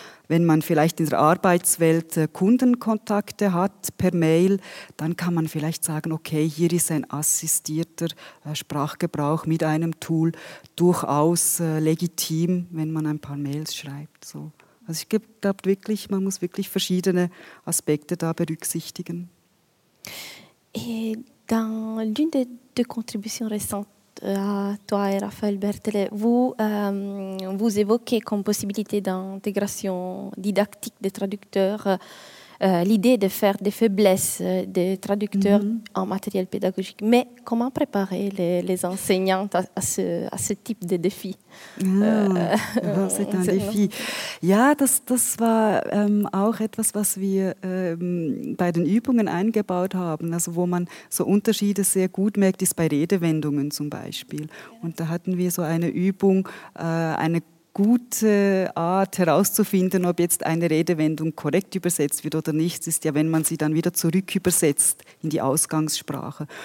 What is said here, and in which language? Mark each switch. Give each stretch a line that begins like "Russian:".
German: Wenn man vielleicht in der Arbeitswelt Kundenkontakte hat per Mail, dann kann man vielleicht sagen, okay, hier ist ein assistierter Sprachgebrauch mit einem Tool durchaus legitim, wenn man ein paar Mails schreibt. So. Also ich glaube wirklich, man muss wirklich verschiedene Aspekte da berücksichtigen. Und
French: in l'une des deux contributions récentes, à toi et Raphaël Berthelet, vous évoquez comme possibilité d'intégration didactique des traducteurs l'idée de faire des faiblesses des traducteurs mm-hmm. en matériel pédagogique. Mais comment préparer les enseignantes à ce type de défi? C'est un défi.
German: Ja, das war auch etwas, was wir bei den Übungen eingebaut haben. Also wo man so Unterschiede sehr gut merkt, ist bei Redewendungen zum Beispiel. Und da hatten wir so eine Übung, eine gute Art herauszufinden, ob jetzt eine Redewendung korrekt übersetzt wird oder nicht, ist ja, wenn man sie dann wieder zurück übersetzt in die Ausgangssprache.